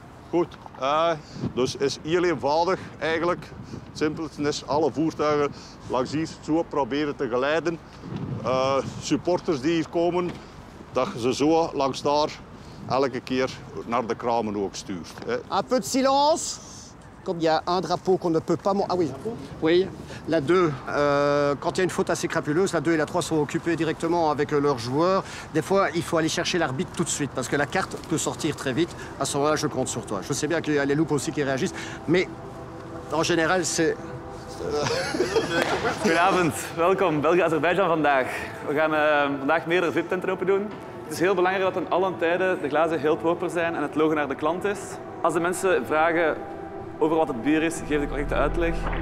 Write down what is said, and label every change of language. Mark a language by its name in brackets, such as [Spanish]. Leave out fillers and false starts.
[Dutch] Goed, dus is heel eenvoudig eigenlijk. Simpel is alle voertuigen langs hier zo proberen te geleiden. Supporters die hier komen, dat je ze zo langs daar elke keer naar de kramen ook stuurt. [French] Een peu de silence. Comme il y a un drapeau qu'on ne peut pas monter. Ah oui. Oui. La 2, quand il y a une faute assez crapuleuse, la 2 et la 3 sont occupées directement avec leurs joueurs. Des fois, il faut aller chercher l'arbitre tout de suite parce que la carte peut sortir très vite. À ce moment-là, je compte sur toi. Je sais bien qu'il y a les loupes aussi qui réagissent, mais en général, c'est. [Dutch] Goedenavond, welkom. België-Azerbeidzjan vandaag. We gaan vandaag meerdere VIP-tenten open doen. Het is heel belangrijk dat in allen tijden de glazen heel proper zijn en het logo naar de klant is. Als de mensen vragen over wat het bier is, geef ik correcte uitleg.